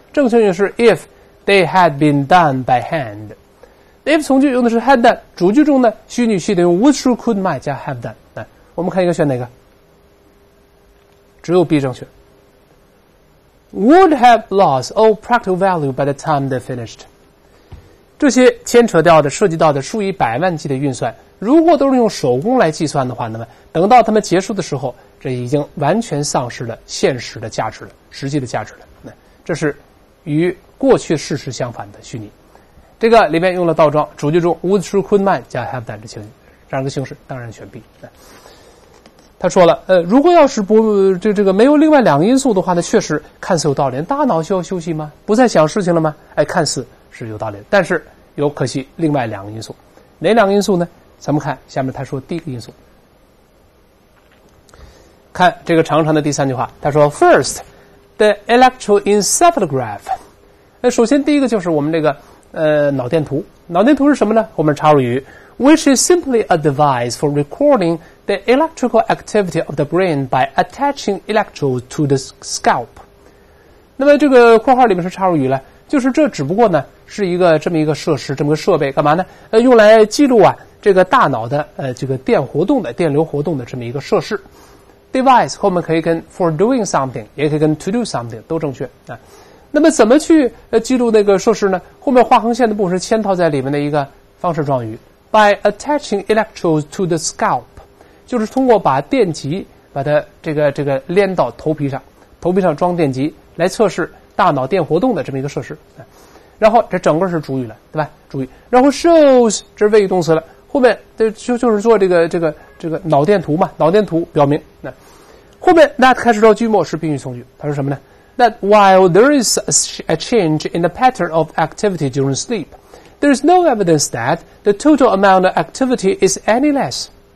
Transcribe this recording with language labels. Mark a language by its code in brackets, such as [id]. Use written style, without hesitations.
[zh] 正确语是 [en] If they had been done by hand。 [zh] If 从句用的是 had done， 主句中呢虚拟系统用 would should could might 加 have done。来，我们看一个选哪个，只有 B 正确。 [en] Would have lost all practical value by the time they finished， [zh] 这些牵扯掉的涉及到的数以百万计的运算，如果都是用手工来计算的话，那么等到他们结束的时候，这已经完全丧失了现实的价值了，实际的价值了。这是与过去事实相反的虚拟。这个里面用了倒装，主句中 would should could might 加 have that 的形式，这样的形式当然选 B。他说了，如果要是不这个没有另外两个因素的话呢，确实看似有道理。大脑需要休息吗？不再想事情了吗？哎，看似是有道理，但是有可惜另外两个因素。哪两个因素呢？咱们看下面他说第一个因素。看这个长长的第三句话，他说 [en] First, the electroencephalograph。 [zh] 首先第一个就是我们这个脑电图。脑电图是什么呢？后面插入语 [en] ,which is simply a device for recording the electrical activity of the brain by attaching electrodes to the scalp。 [zh] 那么这个括号里面是插入语了，就是这只不过呢是一个这么一个设施，这么个设备，干嘛呢？用来记录啊这个大脑的这个电活动的电流活动的这么一个设施。 device 后面可以跟 [en] for doing something, [zh] 也可以跟 [en] to do something, [zh] 都正确。那么怎么去记录那个设施呢？后面画横线的部分是嵌套在里面的一个方式状语 [en] by attaching electrodes to the scalp, [zh] 就是通过把电极把它这个连到头皮上，头皮上装电极来测试大脑电活动的这么一个设施。然后这整个是主语了，对吧？主语，然后 shows 这是谓语动词了，后面就是做这个脑电图嘛，脑电图表明。那后面那开始到句末是宾语从句，它是什么呢？ [en] That while there is a change in the pattern of activity during sleep, there is no evidence that the total amount of activity is any less.